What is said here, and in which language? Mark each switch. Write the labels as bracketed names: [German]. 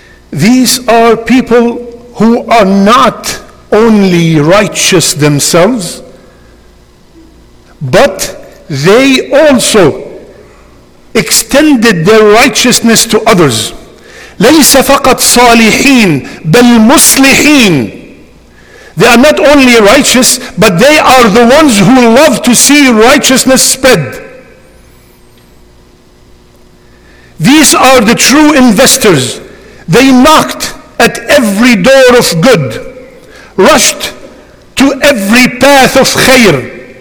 [English] These are people who are not only righteous themselves, but they also extended their righteousness to others. [Arabic] ليس فقط صالحين بل مصلحين. [English] They are not only righteous, but they are the ones who love to see righteousness spread. These are the true investors. They knocked at every door of good, rushed to every path of khair.